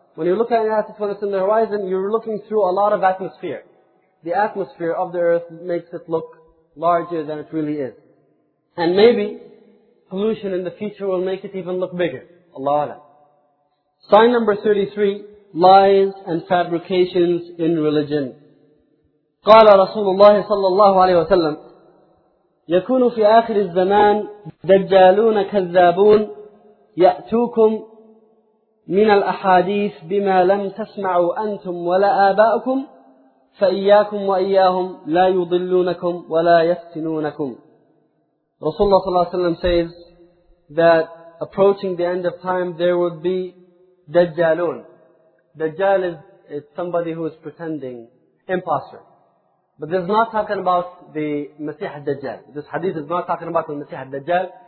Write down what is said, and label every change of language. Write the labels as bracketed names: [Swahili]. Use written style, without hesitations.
[English] When you look at it when it's in the horizon, you're looking through a lot of atmosphere. The atmosphere of the earth makes it look larger than it really is. And maybe pollution in the future will make it even look bigger. Allah Allah. Sign number 33, lies and fabrications in religion. [Arabic] قال رسول الله صلى الله عليه وسلم يكون في آخر الزمان دجالون كذابون يأتوكم من الأحاديث بما لم تسمعوا أنتم ولا آباؤكم فإياكم وإياهم لا يضلونكم ولا يفتنونكم. [English] Rasulullah sallallahu alayhi wa sallam says that approaching the end of time there would be Dajjalun. Dajjal is somebody who is pretending, imposter. But this is not talking about the Masih al-Dajjal. This hadith is not talking about the Masih al-Dajjal.